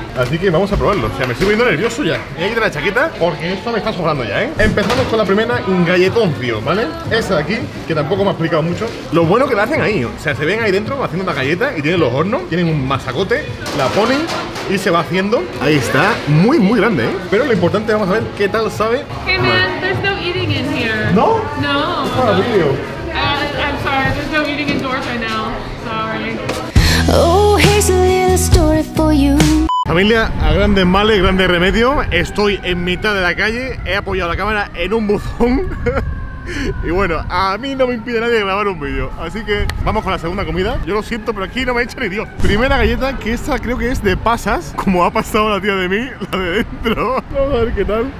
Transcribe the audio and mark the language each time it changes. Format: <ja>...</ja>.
<es>Así que vamos a probarlo. O sea, me estoy poniendo nervioso ya. Voy a quitar la chaqueta porque esto me está sobrando ya, ¿eh? Empezamos con la primera, un galletoncio, ¿vale? Esa de aquí, que tampoco me ha explicado mucho. Lo bueno que la hacen ahí, o sea, se ven ahí dentro haciendo una galleta y tienen los hornos, tienen un masacote, la ponen y se va haciendo. Ahí está, muy, muy grande, ¿eh? Pero lo importante, vamos a ver qué tal sabe.</es> <en>Hey, man, there's no eating in here.</en> <es>¿No? No. Está el vídeo.</es> <en>I'm sorry, there's no eating indoors right now. Sorry. Oh, here's a little story for you.</en> <es>Familia, a grandes males, grande remedio. Estoy en mitad de la calle, he apoyado la cámara en un buzón. Y bueno, a mí no me impide nadie grabar un vídeo. Así que vamos con la segunda comida. Yo lo siento, pero aquí no me echa ni Dios. Primera galleta, que esta creo que es de pasas. Como ha pasado la tía de mí, la de dentro. Vamos a ver qué tal.</es>